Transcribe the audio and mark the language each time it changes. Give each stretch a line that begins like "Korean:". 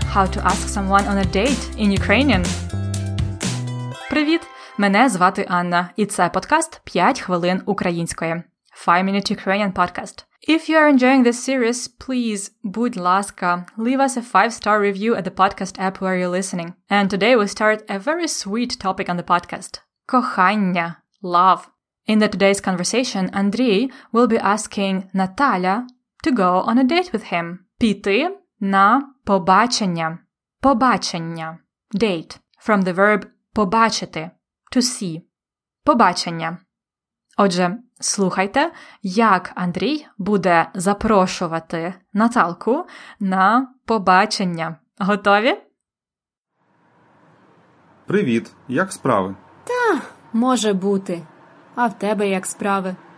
English: How to ask someone on a date in Ukrainian.
Ukrainian: Привіт! Мене звати Анна, і це подкаст «5 хвилин української».
English: 5 Minute Ukrainian Podcast. If you are enjoying this series, please,
Ukrainian: будь ласка,
English: leave us a 5-star review at the podcast app where you're listening. And today we start a very sweet topic on the podcast.
Ukrainian: Кохання. Love.
English: In the today's conversation, Андрій will be asking Наталя to go on a date with him.
Ukrainian: Піти на побачення. Побачення. Date.
English: From the verb побачити. To see. Побачення.
Ukrainian: Отже, слухайте, як Андрій буде запрошувати Наталку на побачення. Готові? Привіт, як справи? Та, може бути. А в тебе як справи?